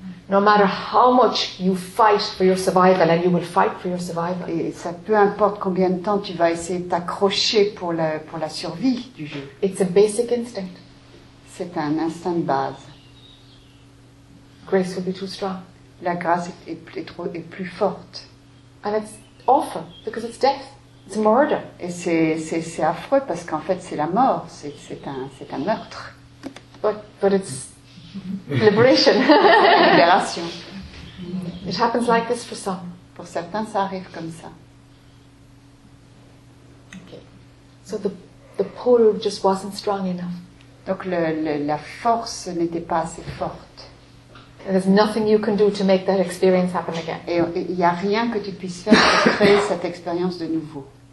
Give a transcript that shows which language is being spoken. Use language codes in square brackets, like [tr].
[en] No matter how much you fight for your survival, and you will fight for your survival. [fr] Et ça peu importe combien de temps tu vas essayer de t'accrocher pour la survie du jeu. [en] It's a basic instinct. [fr] C'est un instinct de base. [en] Grace will be too strong. [fr] La grâce est plus forte. [en] And it's awful because it's death. It's murder. [fr] Et c'est affreux parce qu'en fait c'est la mort. C'est un meurtre. [en] But it's liberation. [fr] Libération. [en] It happens like this for some. [fr] Pour certains, ça arrive comme ça. [en] Okay. So the pull just wasn't strong enough. [fr] Donc la force n'était pas assez forte. [en] And there's nothing you can do to make that experience happen again. [fr] Et il y a rien que tu puisses faire pour créer cette expérience de nouveau.